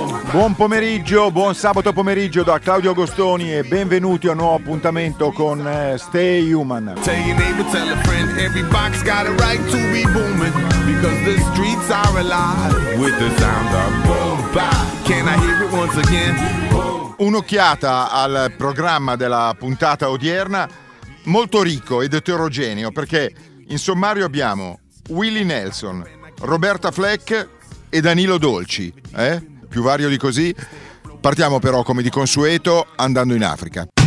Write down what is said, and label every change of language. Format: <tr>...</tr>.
<it>Buon pomeriggio, buon sabato pomeriggio da Claudio Agostoni e benvenuti a un nuovo appuntamento con Stay Human.</it> <en>Tell your neighbor, tell a friend, every box got a right to be booming, because the streets are alive with the sound of boom bop. Can I hear it once again?</en> <it>Un'occhiata al programma della puntata odierna, molto ricco ed eterogeneo, perché in sommario abbiamo Willie Nelson, Roberta Fleck e Danilo Dolci, eh? Più vario di così. Partiamo però, come di consueto, andando in Africa.</it>